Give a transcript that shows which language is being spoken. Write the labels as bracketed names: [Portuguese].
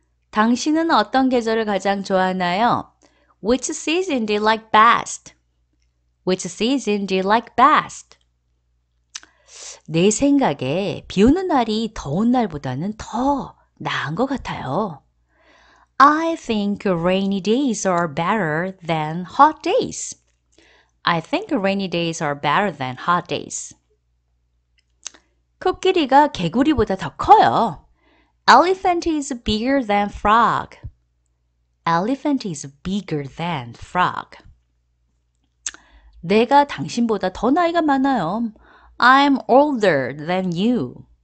[Korean] 당신은 어떤 계절을 가장 좋아하나요? [English] Which season do you like best? Which season do you like best? [Korean] 내 생각에 비 오는 날이 더운 날보다는 더 나은 것 같아요. [English] I think rainy days are better than hot days. I think rainy days are better than hot days. [Korean] 코끼리가 개구리보다 더 커요. [English] Elephant is bigger than frog. Elephant is bigger than frog. [Korean] 내가 당신보다 더 나이가 많아요. [English] I'm older than you.